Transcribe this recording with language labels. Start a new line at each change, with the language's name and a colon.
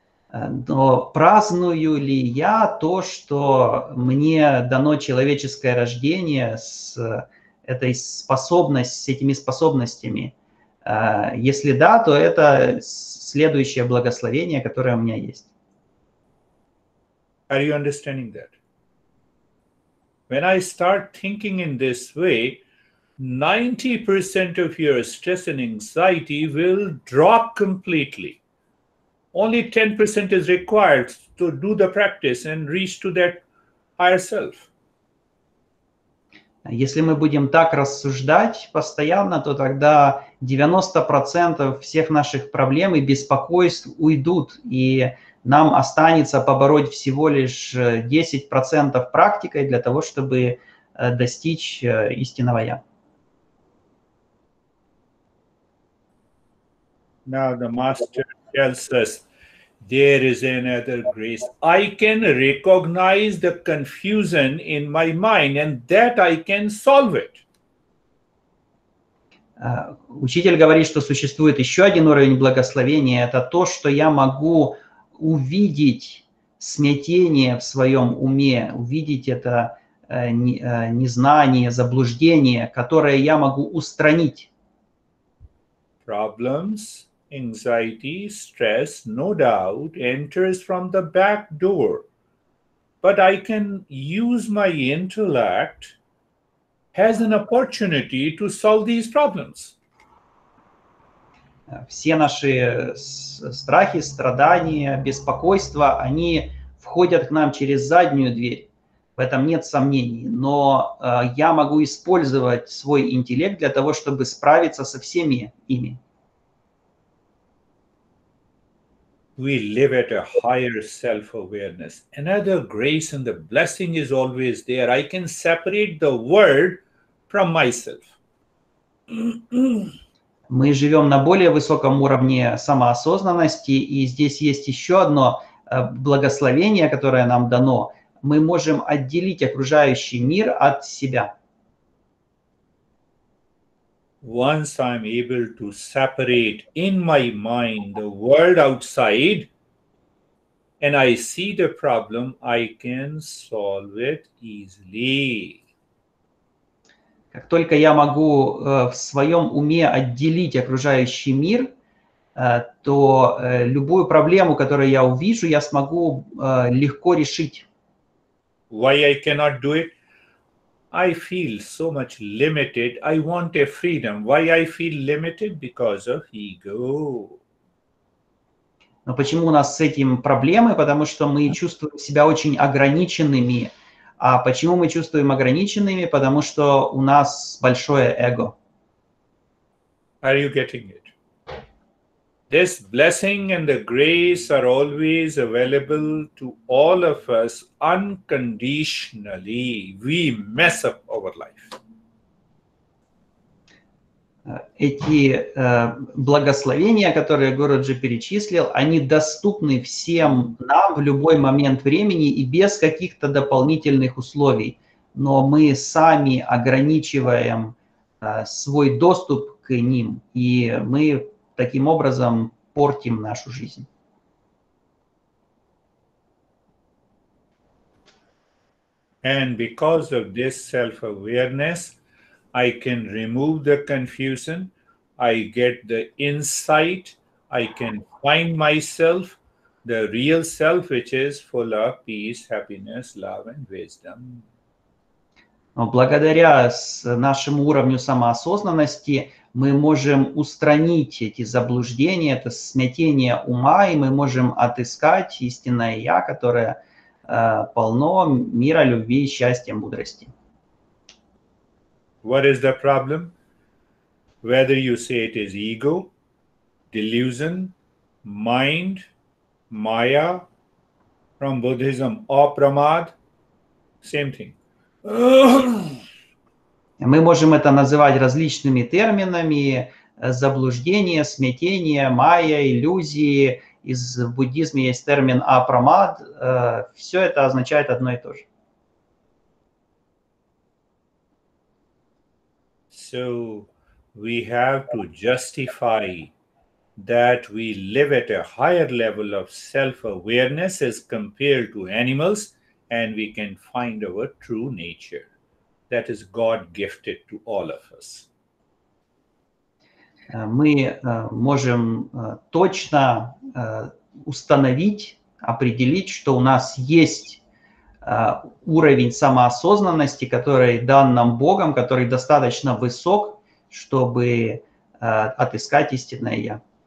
Russian: Но праздную ли я то, что мне дано человеческое рождение с этой способностью, с этими способностями? Если да, то это следующее благословение, которое у меня есть.
English: Are you understanding that? When I start thinking in this way, 90% of your stress and anxiety will drop completely. Only 10% is required to do the practice and reach to that higher self.
Russian: Если мы будем так рассуждать постоянно, то тогда 90% всех наших проблем и беспокойств уйдут, и нам останется побороть всего лишь 10% практикой для того, чтобы достичь истинного «Я».
English: Now the master tells us, there is another grace. I can recognize the confusion in my mind, and that I can solve it.
Russian: Учитель говорит, что существует еще один уровень благословения. Это то, что я могу увидеть смятение в своем уме, увидеть это незнание, заблуждение, которое я могу устранить.
English: Problems. Anxiety, stress, no doubt, enters from the back door. But I can use my intellect as an opportunity to solve these problems.
Russian: Все наши страхи, страдания, беспокойства, они входят к нам через заднюю дверь. В этом нет сомнений. Но я могу использовать свой интеллект для того, чтобы справиться со всеми ими.
English: We live at a higher self-awareness. Another grace and the blessing is always there. I can separate the word from myself.
Russian: Мы живем на более высоком уровне самоосознанности, и здесь есть еще одно благословение, которое нам дано. Мы можем отделить окружающий мир от себя.
English: Once I'm able to separate in my mind the world outside, and I see the problem, I can solve it easily.
Russian: Как только я могу в своем уме отделить окружающий мир, то любую проблему, которую я увижу, я смогу легко решить.
English: why I cannot do it. I feel so much limited. I want a freedom. Why I feel limited? Because of ego.
Russian: Но почему у нас с этим проблемы? Потому что мы чувствуем себя очень ограниченными. А почему мы чувствуем ограниченными? Потому что у нас большое эго.
English: Are you getting it? This blessing and the grace are always available to all of us unconditionally. We mess up our life.
Russian: Эти благословения, которые Гуруджи перечислил, они доступны всем нам в любой момент времени и без каких-то дополнительных условий. Но мы сами ограничиваем свой доступ к ним, и мы таким образом портим нашу жизнь.
English: And because of this self-awareness, I can remove the confusion, I get the insight, I can find myself, the real self, which is full of peace, happiness, love and wisdom.
Russian: Но благодаря нашему уровню самоосознанности мы можем устранить эти заблуждения, это смятение ума, и мы можем отыскать истинное Я, которое полно мира, любви, счастья, мудрости.
English: What is the problem? Whether you say it is ego, delusion, mind, maya, from Buddhism, or pramad, same thing.
Russian: Мы можем это называть различными терминами: заблуждение, смятение, майя, иллюзии. Из буддизма есть термин апрамад. Все это означает одно и то же.
English: So we have to justify that we live at a higher level of self-awareness as compared to animals, and we can find our true nature. That is God gifted to all of us.
Russian: Мы можем точно установить, определить, что у нас есть уровень самоосознанности, который дан нам Богом, который достаточно высок, чтобы отыскать истинное Я.